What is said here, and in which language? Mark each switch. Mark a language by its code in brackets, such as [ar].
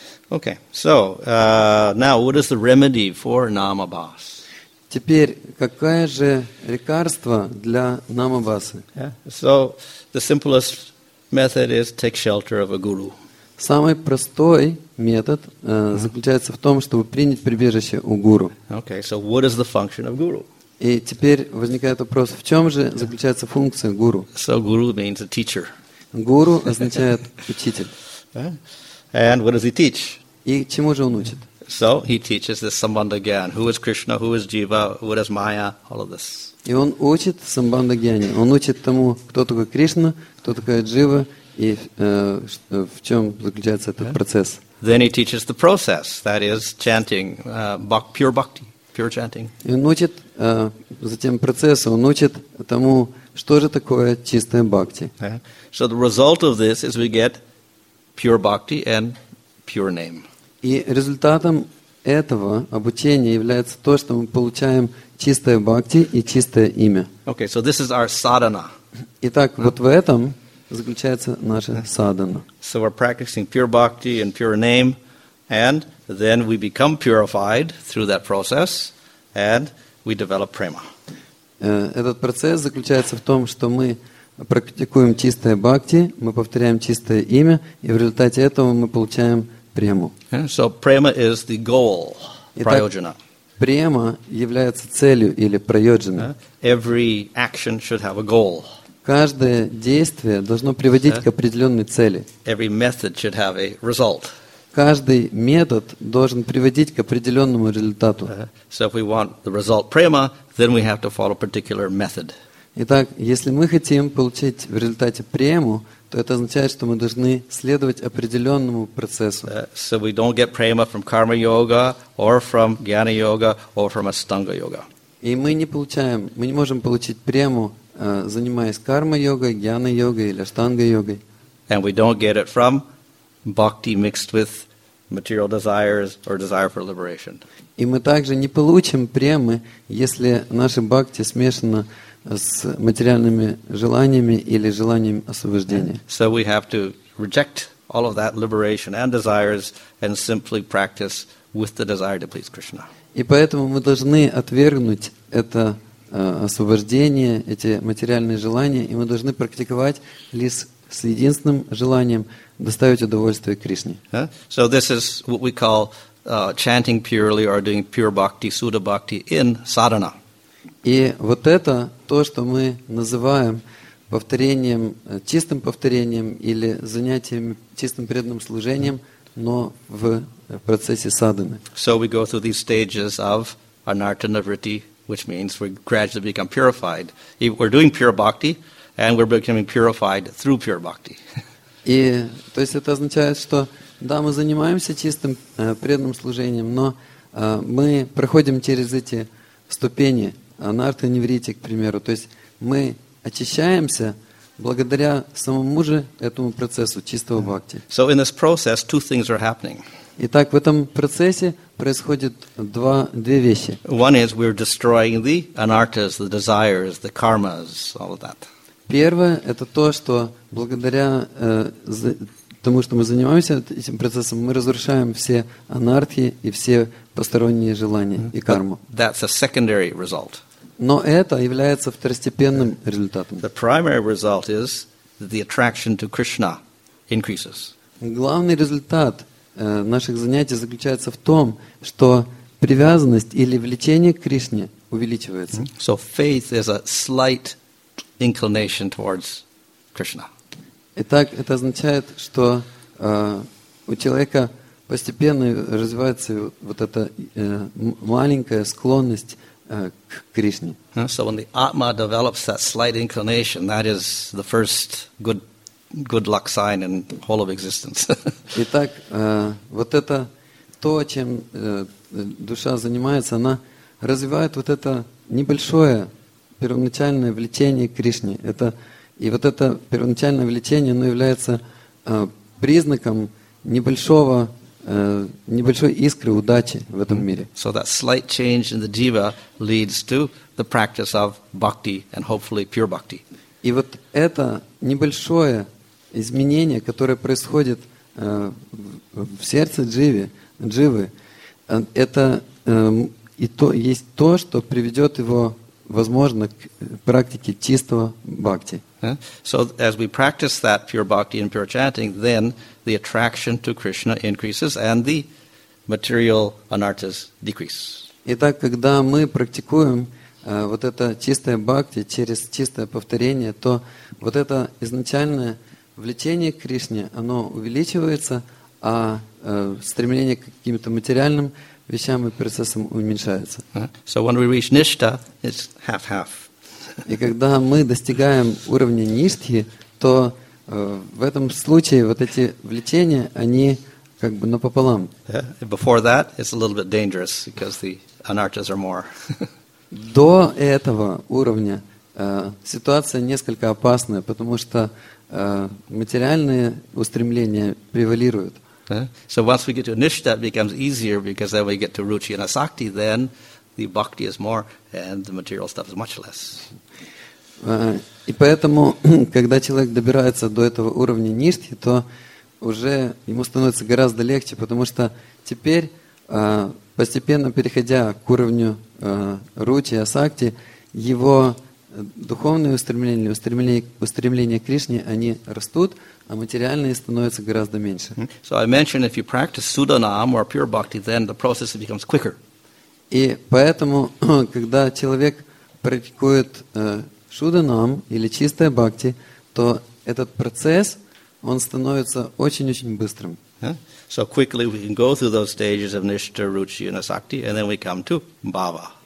[en] Okay, so now what is the remedy for Namabhas? [ru] Теперь, какое же лекарство для Намабасы? [en] So the simplest method is take shelter of a guru. [ru] Самый простой метод заключается в том, чтобы принять прибежище у гуру. [en] Okay, so what is the function of guru? [ru] И теперь возникает вопрос, в чем же заключается функция гуру? [en] So guru means a teacher. [ru] Гуру означает учитель. [en] And what does he teach? [ru] И чему же он учит? [en] So he teaches this Sambandhagyan. Who is Krishna? Who is Jiva? What is Maya? All of this. [ru] И он учит Sambandhagyani. Он учит тому, кто такой Кришна, кто такая Джива, и в чем заключается этот процесс. [en] Then he teaches the process, that is chanting, pure bhakti, pure chanting. [ru] И он учит затем процессу, он учит тому, что же такое чистая бхакти. [en] So the result of this is we get pure bhakti and pure name. [ru] И результатом этого обучения является то, что мы получаем чистое бхакти и чистое имя. [en] Okay, so this is our sadhana. [ru] Итак, вот в этом заключается наша садхана. [en] So we're practicing pure bhakti and pure name, and then we become purified through that process, and we develop prema. [ru] Этот процесс заключается в том, что мы практикуем чистое бхакти, мы повторяем чистое имя, и в результате этого мы получаем прему. [en] So prema is the goal, prayojana. [ru] Према является целью или прайоджана. [en] Every action should have a goal. [ru] Каждое действие должно приводить к определенной цели. [en] Every method should have a result. [ru] Каждый метод должен приводить к определенному результату. [en] So if we want the result prema, then we have to follow a particular method. [ru] Итак, если мы хотим получить в результате прему, то это означает, что мы должны следовать определенному процессу. [en] So we don't get prema from karma yoga or from jnana yoga or from astanga yoga. [ru] И мы не можем получить прему, занимаясь карма-йогой, гьяна-йогой или аштанга-йогой. [en] And we don't get it from bhakti mixed with material desires or desire for liberation. [ru] И мы также не получим премы, если наше бхакти смешано с материальными желаниями или желанием освобождения. [en] So we have to reject all of that liberation and desires and simply practice with the desire to please Krishna. [ru] И поэтому мы должны отвергнуть это освобождение, эти материальные желания, и мы должны практиковать лишь с единственным желанием доставить удовольствие Кришне. [en] So this is what we call chanting purely or doing pure bhakti, sudha bhakti in sadhana. [ru] И вот это то, что мы называем повторением, чистым повторением или занятием чистым преданным служением, но в процессе садханы. [en] So we go through these stages of anartha nivritti, which means we gradually become purified. We're doing pure bhakti, and we're becoming purified through pure bhakti. [ru] И то есть это означает, что да, мы занимаемся чистым преданным служением, но мы проходим через эти ступени анартха нивритти, к примеру. То есть мы очищаемся благодаря самому же этому процессу чистого бхакти. [en] So in this process, two things are happening. [ru] Итак, в этом процессе происходят две вещи. [en] One is we're destroying the anarthas, the desires, the karmas, all of that. [ru] Первое – это то, что благодаря тому, что мы занимаемся этим процессом, мы разрушаем все анартхи и все посторонние желания и карму. [en] But that's a secondary result. [ru] Но это является второстепенным результатом. [en] The primary result is the attraction to Krishna increases. [ru] Главный результат наших занятий заключается в том, что привязанность или влечение к Кришне увеличивается. [en] So faith is a slight inclination towards Krishna. [ru] Итак, это означает, что у человека постепенно развивается вот эта маленькая склонность к Кришне. [en] So when the Atma develops that slight inclination, that is the first good luck sign in whole of existence. [ru] Итак, вот это то, чем душа занимается, она развивает вот это небольшое первоначальное влечение к Кришне. Это, и вот это первоначальное влечение, оно является признаком небольшой искры удачи в этом мире. [en] So that slight change in the jiva leads to the practice of bhakti and hopefully pure bhakti. [ru] И вот это небольшое изменение, которое происходит в сердце дживы, это и то, есть то, что приведет его, возможно, к практике чистого бхакти. [en] So as we practice that pure bhakti and pure chanting, then the attraction to Krishna increases and the material anarthas decrease. [ru] Итак, когда мы практикуем вот это чистое бхакти через чистое повторение, то вот это изначальное влечение к Кришне, оно увеличивается, а стремление к каким-то материальным вещам и процессам уменьшается. [en] So when we reach nishtha, it's half-half. [ru] И когда мы достигаем уровня ништхи, то в этом случае вот эти влечения, они как бы напополам. [en] Yeah. Before that, it's a little bit dangerous, because the anarthas are more. [ru] До этого уровня ситуация несколько опасная, потому что материальные устремления превалируют. [en] So once we get to nishtha, it becomes easier, because then we get to ruchi and asakti, then the bhakti is more and the material stuff is much less. [ru] И поэтому, когда человек добирается до этого уровня ништхи, то уже ему становится гораздо легче, потому что теперь, постепенно переходя к уровню ручи, асакти, его духовные устремления, устремления к Кришне, они растут, а материальные становятся гораздо меньше. [en] So I mentioned if you practice sudhanam or pure bhakti, then the process becomes quicker. [ru] И поэтому, когда человек практикует шуданам или чистая бхакти, то этот процесс, он становится очень-очень быстрым. [en] Yeah. So quickly we can go through those stages of nishtha, ruchi, and asakti, and then we come to bhava.